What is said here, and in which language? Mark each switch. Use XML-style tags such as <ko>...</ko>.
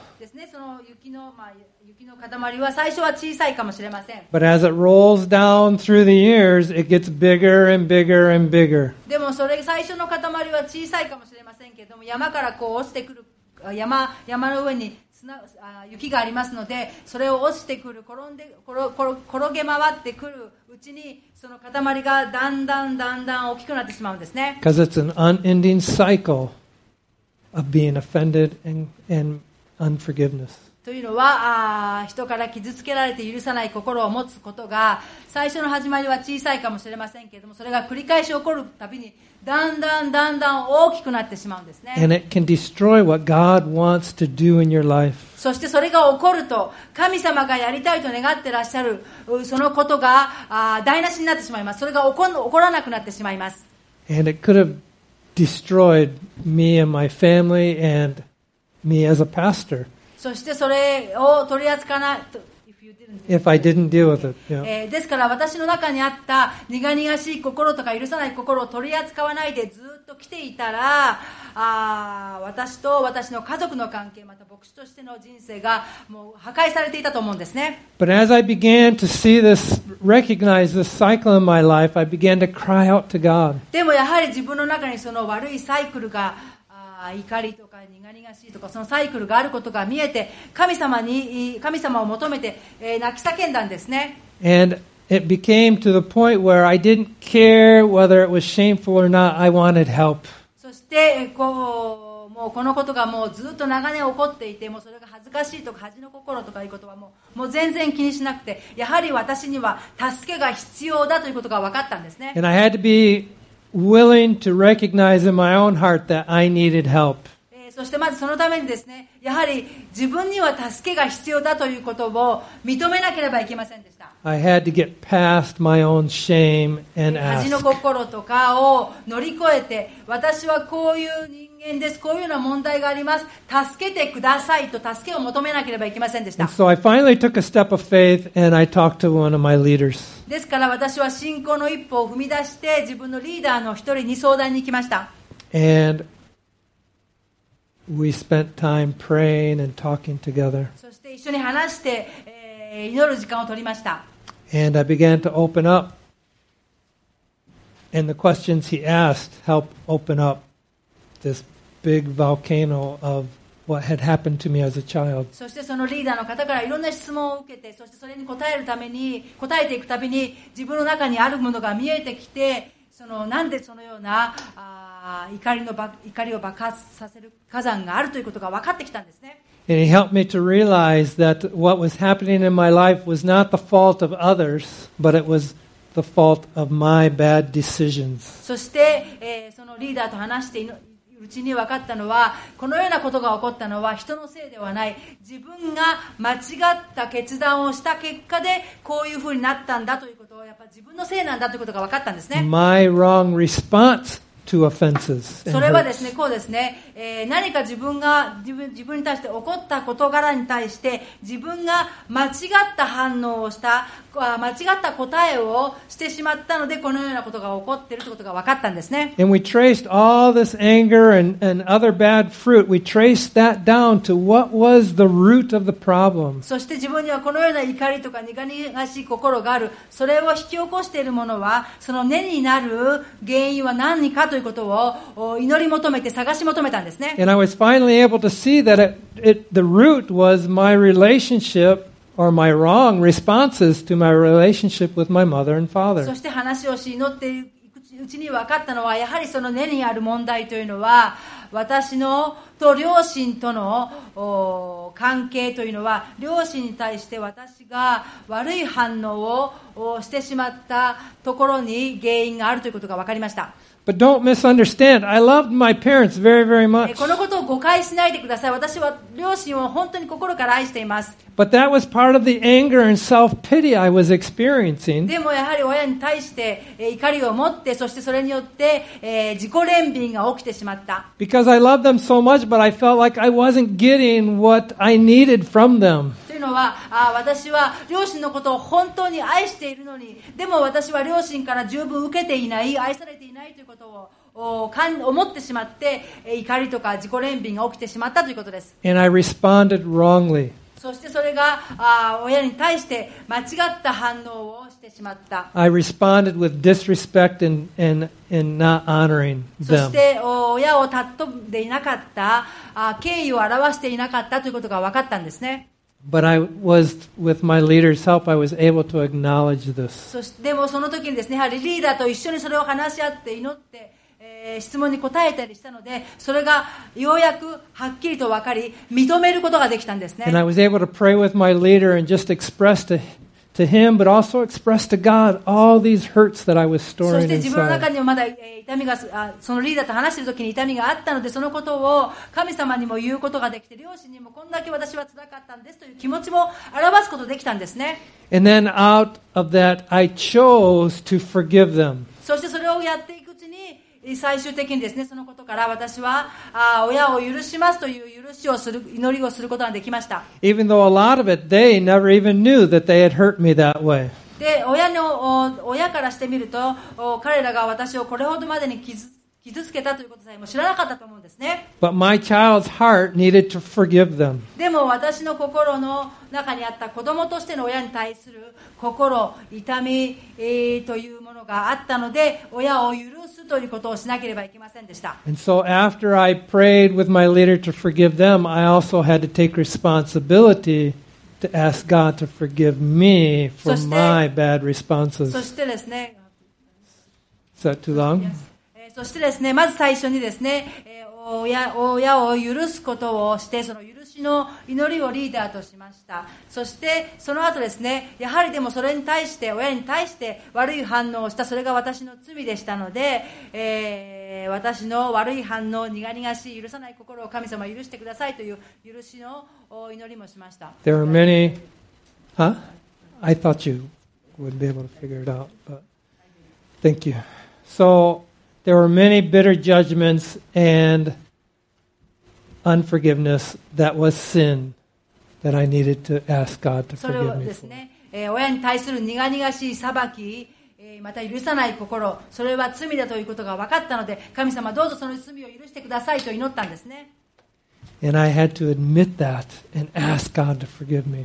<ja>ですね、その雪の、まあ塊は最初は小さいかもしれません。</ja> <en>But as it rolls down through the years, it gets bigger and bigger and bigger.</en> <ja>でもそれ最初の塊は小さいかもしれませんけれども、山からこう落ちてくる、山の上に雪がありますので、それを落ちてくる、転げ回ってくるうちに、その塊がだんだんだんだん大きくなってしまうんですね。</ja> <en>Because it's an unending cycle of being offended and unforgiveness.</en> <ja>というのは、人から傷つけられて許さない心を持つことが、最初の始まりは小さいかもしれませんけれども、それが繰り返し起こるたびに、だんだんだんだん大きくなってしまうんですね。</ja> <en>And it can destroy what God wants to do in your life.</en> <ja>そしてそれが起こると、神様がやりたいと願ってらっしゃるそのことが台無しになってしまいます。それが起こらなくなってしまいます。</ja> <en>And it could have destroyed me and my family and me as a pastor.</en> <ja>そしてそれを取り扱わない</ja> <en>If I didn't deal with it,、yeah.</en> <ja>ですから私の中にあった苦々しい心とか許さない心を取り扱わないでずっと来ていたら、私と私の家族の関係、また牧師としての人生がもう破壊されていたと思うんですね。</ja> <en>But as I began to see this, recognize this cycle in my life, I began to cry out to God.</en> <ja>でもやはり自分の中にその悪いサイクルが、怒りとか苦々しいとか、そのサイクルがあることが見えて、神様を求めて泣き叫んだんですね。</ja> <en>And it became to the point where I didn't care whether it was shameful or not, I wanted help.</en> <ja>そしてこう、もうこのことがもうずっと長年起こっていて、もうそれが恥ずかしいとか恥の心とかいうことはもう全然気にしなくて、やはり私には助けが必要だということが分かったんですね。</ja> <en>And I had to be willing to recognize in my own heart that I needed help.</en> <ja>そしてまずそのためにですね、やはり自分には助けが必要だということを認めなければいけませんでした。</ja> <en>I had to get past my own shame and ask.</en> <ja>恥の心とかを乗り越えて、私はこういう人間です。こういうような問題があります。助けてくださいと助けを求めなければいけませんでした。</ja> <en>And so I finally took a step of faith and I talked to one of my leaders.</en> <ja>ですから私は信仰の一歩を踏み出して自分のリーダーの一人に相談に行きました。</ja> <en>And we spent time praying and talking together.</en> <ja>そして一緒に話して、祈る時間を取りました。</ja> <en>And I began to open up. And the questions he asked helped open up this big volcano of what had happened to me as a child.</en> <ja>そしてそのリーダーの方からいろんな質問を受けて、そしてそれに答えるために、答えていくたびに、自分の中にあるものが見えてきて、そのなんでそのような、怒りを爆発させる火山があるということが分かってきたんですね。</ja> <en>And he helped me to realize that what was happening in my life was not the fault of others, but it was the fault of my bad decisions.</en> <ja>そして、そのリーダーと話しているうちに分かったのは、このようなことが起こったのは人のせいではない。自分が間違った決断をした結果でこういうふうになったんだということを、やっぱり自分のせいなんだということが分かったんですね。</ja> <en>My wrong response. To offenses and hurts.</en> <ja>それはですね、こうですね、何か自分に対して起こった事柄に対して自分が間違った反応をした、間違った答えをしてしまったので、このようなことが起こっているということが分かったんですね。</ja> <en>And we traced all this anger and other bad fruit. We traced that down to what was the root of the problem.</en> <ja>そして自分にはこのような怒りとか苦々しい心がある。それを引き起こしているものは、その根になる原因は何かということを祈り求めて探し求めたんですね。</ja> <en>And I was finally able to see that the root was my relationship. Or my wrong responses to my relationship with my mother and father.</en> <ja>そして話をし祈っていくうちに分かったのは、やはりその根にある問題というのは、私のと両親との関係というのは、両親に対して私が悪い反応をしてしまったところに原因があるということが分かりました。</ja> <en>But don't misunderstand. I loved my parents very, very much.</en> <ja>このことを誤解しないでください。私は両親を本当に心から愛しています。</ja> <en>But that was part of the anger and self-pity I was experiencing.</en> <ja>でもやはり親に対して怒りを持って、そしてそれによって自己憐憫が起きてしまった。</ja> <en>Because I loved them so much, but I felt like I wasn't getting what I needed from them.</en> <ja>というのは、私は両親のことを本当に愛しているのに、でも私は両親から十分受けていない、愛されていないということを思ってしまって、怒りとか自己憐憫が起きてしまったということです。</ja> <en>And I responded wrongly.</en> <ja>そしてそれが親に対して間違った反応をしてしまった。</ja> <en>I responded with disrespect and not honoring them.</en> <ja>そして親を尊んでいなかった、敬意を表していなかったということが分かったんですね。</ja> <en>But I was, with my leader's help, I was able to acknowledge this.</en> <ja>そしてでもその時にですね、やはりリーダーと一緒にそれを話し合って祈って、質問に答えたりしたので、それがようやくはっきりと分かり、認めることができたんですね。</ja> <en>And I was able to pray with my leader and just express to him, but also express to God all these hurts that I was storing inside.</en> <ja>そして自分の中にもまだ痛みが、そのリーダーと話している時に痛みがあったので、そのことを神様にも言うことができて、両親にもこんだけ私は辛かったんですという気持ちも表すことができたんですね。</ja> <en>And then out of that, I chose to forgive them.</en> <ja>そしてそれをやっていくうちに、最終的にですね、そのことから私は親を許しますという許しをする、祈りをすることができました。</ja> <en>Even though a lot of it, they never even knew that they had hurt me that way.</en> <ja>で 親からしてみると、彼らが私をこれほどまでに傷つけたということさえも知らなかったと思うんですね。</ja> <en>But my child's heart needed to forgive them.</en> <ja>でも私の心の中にあった子供としての親に対する心痛み、というものがあったので、親を許すということをしなければいけませんでした。</ja> <en>And so after I prayed with my leader to forgive them, I also had to take responsibilityTo ask God to forgive me for my bad responses.</en> <ja>そしてですね。</ja> <en>Is that too long?</en> <ja>そしてですね、まず最初にですね、親を許すことをして、その許しの祈りをリーダーとしました。そしてその後ですね、やはりでもそれに対して親に対して悪い反応をした。それが私の罪でしたので、私の悪い反応を苦々しい許さない心を神様許してくださいという許しの祈りもしました。</ja> <en>There are many I thought you would be able to figure it out, but thank you. So there were many bitter judgments and unforgiveness that was sin that I needed to ask God to forgive me for.</en> <ja>それをですね、親に対する苦々しい裁き、また許さない心、それは罪だということが分かったので、神様どうぞその罪を許してくださいと祈ったんですね。</ja> <en>And I had to admit that and ask God to forgive me.</en>